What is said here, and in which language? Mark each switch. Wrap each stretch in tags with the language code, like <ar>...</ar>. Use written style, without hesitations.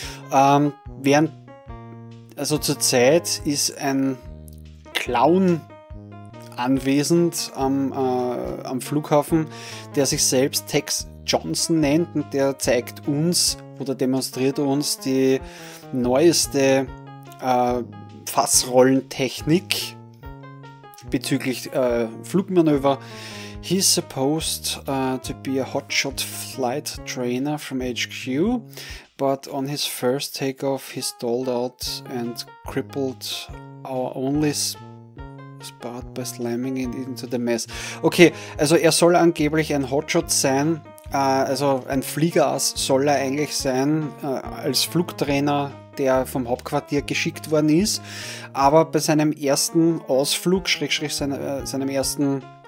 <de>Zur Zeit ist ein Clown anwesend am Flughafen, der sich selbst Tex Johnson nennt und der zeigt uns oder demonstriert uns die neueste Fassrollentechnik bezüglich Flugmanöver.</de> <en>He's supposed to be a hotshot flight trainer from HQ, but on his first takeoff he stalled out and crippled our only spot by slamming it into the mess.</en> <de>Okay, also er soll angeblich ein Hotshot sein. Also ein Fliegerass soll er eigentlich sein, als Flugtrainer, der vom Hauptquartier geschickt worden ist, aber bei seinem ersten Ausflug, seinem ersten</de>